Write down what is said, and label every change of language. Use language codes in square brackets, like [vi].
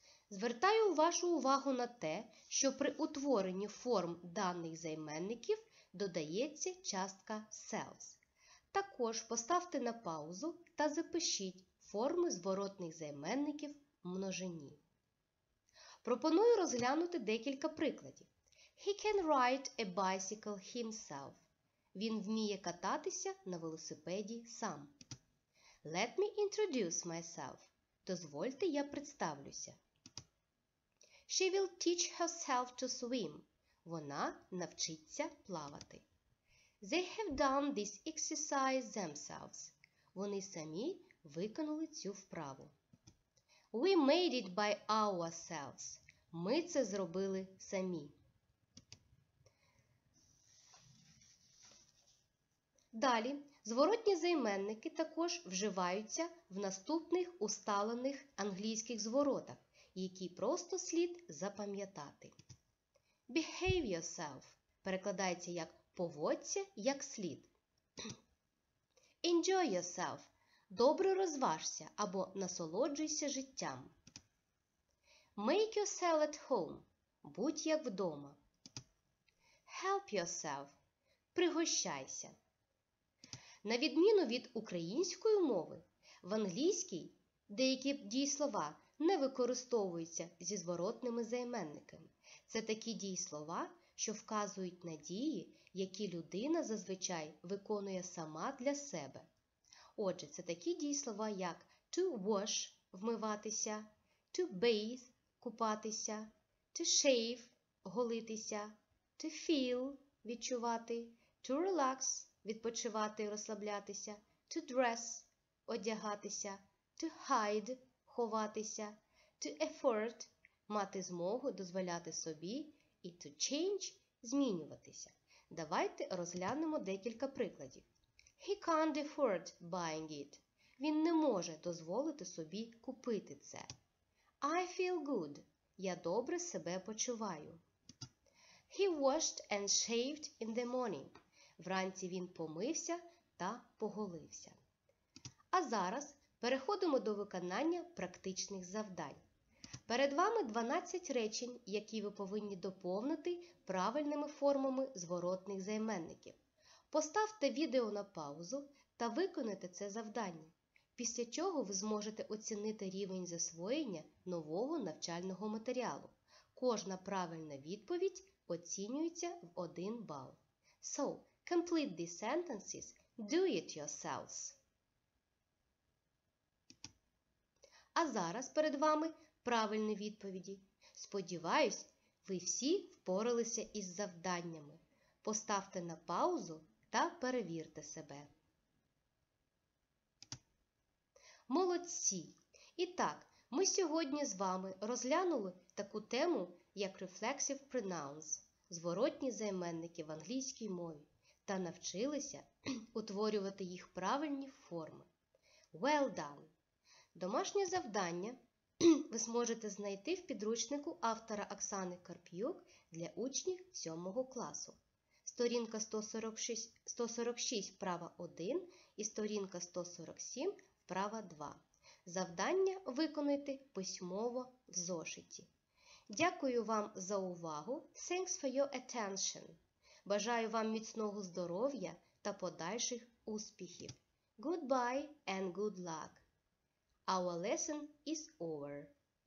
[uk] Звертаю вашу увагу на те, що при утворенні форм даних займенників додається частка selves. Також поставте на паузу та запишіть форми зворотних займенників в множині. Пропоную розглянути декілька прикладів. [en] He can ride a bicycle himself. [uk] Він вміє кататися на велосипеді сам. [en] Let me introduce myself. [uk] Дозвольте я представлюся. [en] She will teach herself to swim. [uk] Вона навчиться плавати. [en] They have done this exercise themselves. [uk] Вони самі виконали цю вправу. [en] We made it by ourselves. [uk] Ми це зробили самі. Далі, зворотні займенники також вживаються в наступних усталених англійських зворотах, які просто слід запам'ятати. [en] Behave yourself [uk] перекладається як «поводься як слід». [en] Enjoy yourself [uk] – добре розважся або насолоджуйся життям. [en] Make yourself at home – [uk] будь як вдома. [en] Help yourself – [uk] пригощайся. На відміну від української мови, в англійській деякі дієслова не використовуються зі зворотними займенниками. Це такі дієслова, що вказують на дії, які людина зазвичай виконує сама для себе. Отже, це такі дієслова, як to wash – вмиватися, to bathe – купатися, to shave – голитися, to feel – відчувати, to relax – відпочивати, розслаблятися, to dress – одягатися, to hide – ховатися, to effort – мати змогу, дозволяти собі, і to change – змінюватися. Давайте розглянемо декілька прикладів. [en] He can't afford buying it. [uk] Він не може дозволити собі купити це. [en] I feel good. [uk] Я добре себе почуваю. [en] He washed and shaved in the morning. [uk] Вранці він помився та поголився. А зараз переходимо до виконання практичних завдань. Перед вами 12 речень, які ви повинні доповнити правильними формами зворотних займенників. Поставте відео на паузу та виконайте це завдання, після чого ви зможете оцінити рівень засвоєння нового навчального матеріалу. Кожна правильна відповідь оцінюється в 1 бал. [en] So, complete these sentences, do it yourselves. [uk] А зараз перед вами правильні відповіді. Сподіваюсь, ви всі впоралися із завданнями. Поставте на паузу та перевірте себе. Молодці! І так, ми сьогодні з вами розглянули таку тему, як reflexive pronouns – зворотні займенники в англійській мові, та навчилися утворювати їх правильні форми. [en] Well done! [uk] Домашнє завдання ви зможете знайти в підручнику автора Оксани Карп'юк для учнів 7 класу. Сторінка 146 вправа 1 і сторінка 147 вправа 2. Завдання виконайте письмово в зошиті. Дякую вам за увагу. [en] Thanks for your attention. [uk] Бажаю вам міцного здоров'я та подальших успіхів. [en] Goodbye and good luck. Our lesson is over.